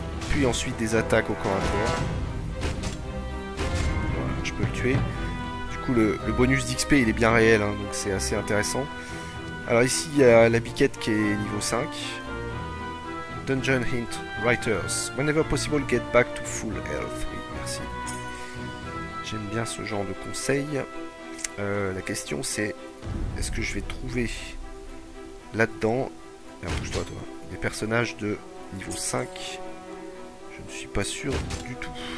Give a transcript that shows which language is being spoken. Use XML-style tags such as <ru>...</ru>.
<fr>Puis ensuite des attaques au corps à corps. Voilà, je peux le tuer. Du coup, le bonus d'XP, il est bien réel. Hein, donc, c'est assez intéressant. Alors, ici, il y a la biquette qui est niveau 5.</fr> <en>Dungeon Hint Writers. Whenever possible, get back to full health.</en> <fr>Oui, merci. J'aime bien ce genre de conseil. La question, c'est est-ce que je vais trouver là-dedans, alors, bouge-toi, toi, des personnages de niveau 5. Je ne suis pas sûr du tout.</fr>